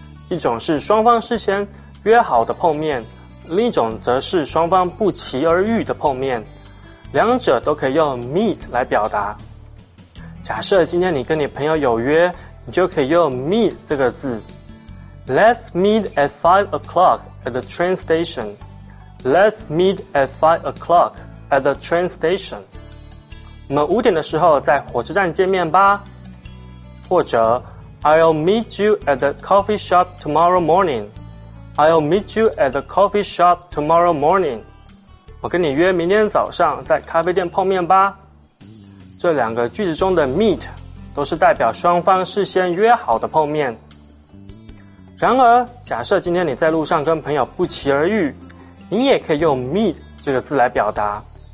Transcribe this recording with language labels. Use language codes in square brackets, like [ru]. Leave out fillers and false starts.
[zh] 一种是双方事先约好的碰面，另一种则是双方不期而遇的碰面。两者都可以用 meet 来表达。假设今天你跟你朋友有约，你就可以用 meet 这个字。 [en] Let's meet at 5 o'clock at the train station. Let's meet at 5 o'clock at the train station. [zh] 我们五点的时候在火车站见面吧。 [en] 或者 I'll meet you at the coffee shop tomorrow morning. I'll meet you at the coffee shop tomorrow morning. [zh] 我跟你约明天早上在咖啡店碰面吧。这两个句子中的 meet 都是代表双方事先约好的碰面。然而假设今天你在路上跟朋友不期而遇，你也可以用 meet 这个字来表达。